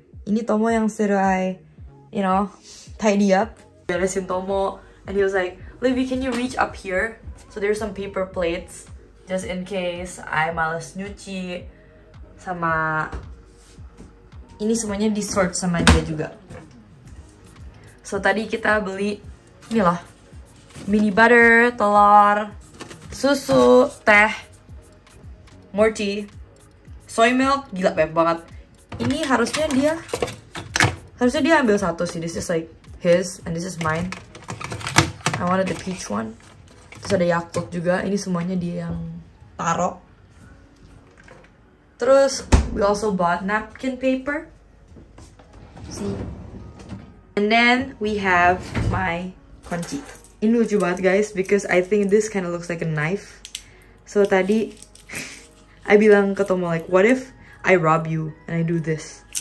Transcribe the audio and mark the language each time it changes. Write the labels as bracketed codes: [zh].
[id] Ini [en] Tomo [id] yang suruh [en] I, you know, tidy up. [id] Beresin [en] Tomo, and he was like, Livy, can you reach up here? So there's some paper plates, just in case I [id] malas nyuci. Sama, ini semuanya disort sama dia juga. So tadi kita beli, ini lah, mini butter, telur, susu, teh, [en] more tea. [id] Soy milk, gila banyak banget. Ini harusnya dia ambil satu sih. [en] This is like his and this is mine. I wanted the peach one. [id] Terus ada yakult juga, ini semuanya dia yang taro. Terus, [en] we also bought napkin paper. See? And then, we have my kunci. [id] Ini lucu banget guys, [en] because I think this kind of looks like a knife. So [id] tadi, [en] I [id] bilang ke [en] Tomo like, what if I rob you and I do this?